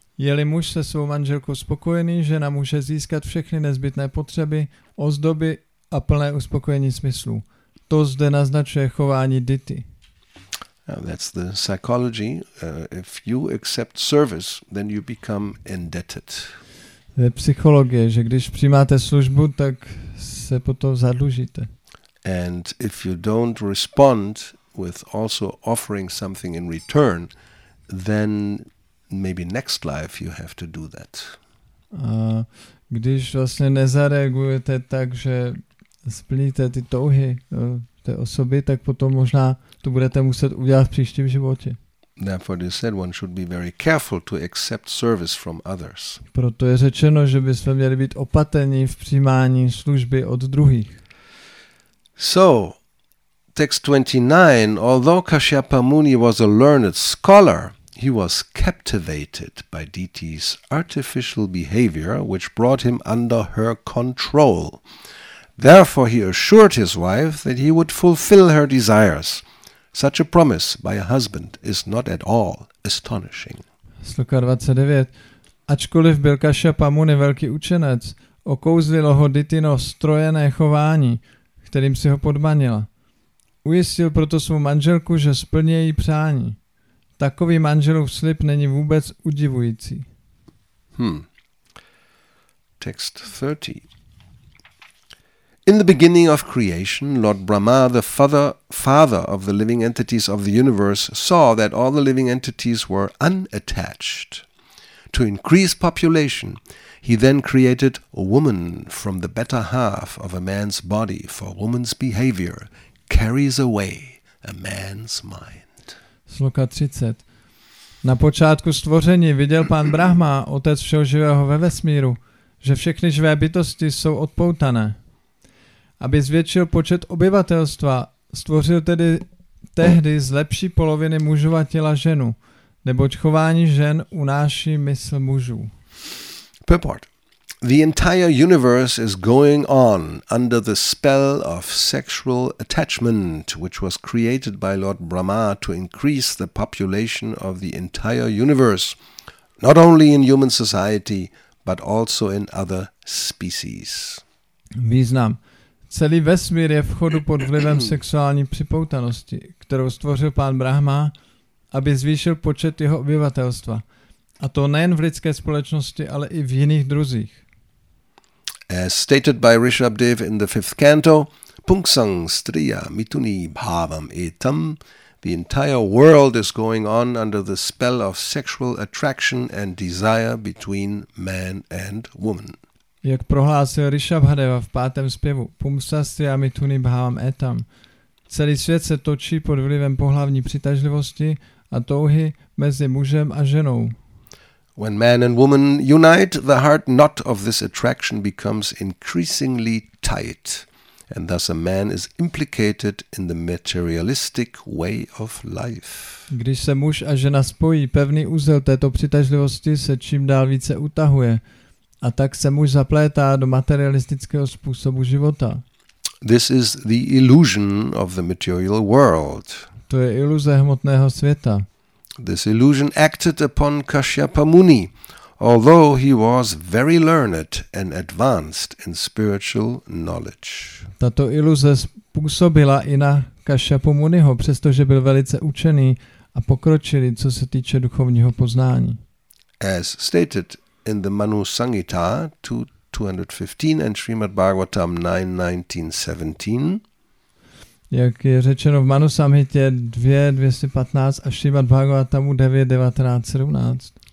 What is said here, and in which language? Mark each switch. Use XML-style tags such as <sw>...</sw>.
<cs>Je-li muž se svou manželkou spokojený, žena může získat všechny nezbytné potřeby, ozdoby a plné uspokojení smyslu. To zde naznačuje chování Diti.</cs> <en>Now that's the psychology. If you accept service, then you become indebted.</en> <cs>Je psychologie, že když přijímáte službu, tak se potom zadlužíte.</cs> <en>And if you don't respond with also offering something in return, then maybe next life you have to do that.</en> <cs>A když vlastně nezareagujete tak, že splníte ty touhy té osoby, tak potom možná to budete muset udělat v příštím životě.</cs> <en>Therefore, it is said one should be very careful to accept service from others.</en> <cs>Proto je řečeno, že bychom měli být opatrní v přijímání služby od druhých.</cs> <en>So, text 29, although Kashyapa Muni was a learned scholar, he was captivated by Diti's artificial behavior, which brought him under her control. Therefore, he assured his wife that he would fulfill her desires. Such a promise by a husband is not at all astonishing.</en> <cs>Sloka 29. Ačkoliv byl Kašapa Muni velký učenec, okouzlilo ho Ditino strojené chování, kterým si ho podmanila. Ujistil proto svou manželku, že splní její přání. Takový manželův slib není vůbec udivující.</cs> <en>Text 30. In the beginning of creation, Lord Brahma, the father of the living entities of the universe, saw that all the living entities were unattached. To increase population, he then created a woman from the better half of a man's body, for woman's behavior carries away a man's mind.</en> <cs>Sloka 30. Na počátku stvoření viděl pán Brahma, otec všeho živého ve vesmíru, že všechny živé bytosti jsou odpoutané. Aby zvětšil počet obyvatelstva, stvořil tedy tehdy z lepší poloviny mužova těla ženu, neboť chování žen unáší mysl mužů.</cs> <en>Purport. The entire universe is going on under the spell of sexual attachment, which was created by Lord Brahma to increase the population of the entire universe, not only in human society, but also in other species.</en> <cs>Význam. Celý vesmír je v chodu pod vlivem sexuální připoutanosti, kterou stvořil pán Brahma, aby zvýšil počet jeho obyvatelstva. A to nejen v lidské společnosti, ale i v jiných druzích.</cs> <en>As stated by Rishabhdev in the fifth canto,</en> <sa>punksang striya mituni bhavam etam,</sa> <en>The entire world is going on under the spell of sexual attraction and desire between man and woman.</en> <cs>Jak prohlásil Rishabhadeva v pátém zpěvu,</cs> <sa>Pumsasyami tuni bhavam etam.</sa> <cs>Celý svět se točí pod vlivem pohlavní přitažlivosti a touhy mezi mužem a ženou.</cs> <en>When man and woman unite, the heart knot of this attraction becomes increasingly tight, and thus a man is implicated in the materialistic way of life.</en> <cs>Když se muž a žena spojí, pevný úzel této přitažlivosti se čím dál více utahuje, a tak se muž zaplétá do materialistického způsobu života.</cs> <en>This is the illusion of the material world.</en> <cs>To je iluze hmotného světa.</cs> <en>This illusion acted upon Kashyapa Muni, although he was very learned and advanced in spiritual knowledge.</en> <cs>Tato iluze působila i na Kashyapu Muniho, přestože byl velice učený a pokročilý, co se týče duchovního poznání.</cs> <en>As stated in the Manu Sangita 215 and Srimad Bhagavatam 9.19.17,</en> <cs>jak je řečeno v Manu Samhitě 2.215 a Srimad Bhagavatamu 9.19.17.</cs>